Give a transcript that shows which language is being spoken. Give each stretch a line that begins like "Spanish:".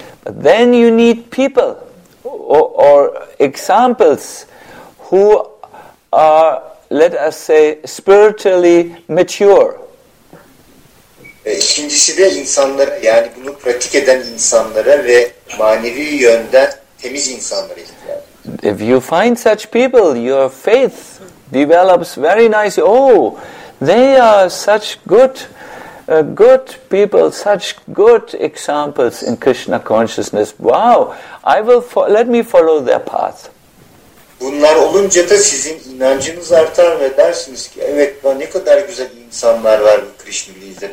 English: But then you need people or examples who are, let us say, spiritually mature.
Turkish: İkincisi de insanlara, yani bunu pratik eden insanlara ve manevi yönden temiz insanlara ihtiyacı.
English: If you find such people, your faith develops very nicely. Oh, they are such good people, such good examples in Krishna consciousness. Wow, let me follow their path.
Turkish: Bunlar olunca da sizin inancınız artar ve dersiniz ki evet, ne kadar güzel insanlar var bu Krishna bilincinde.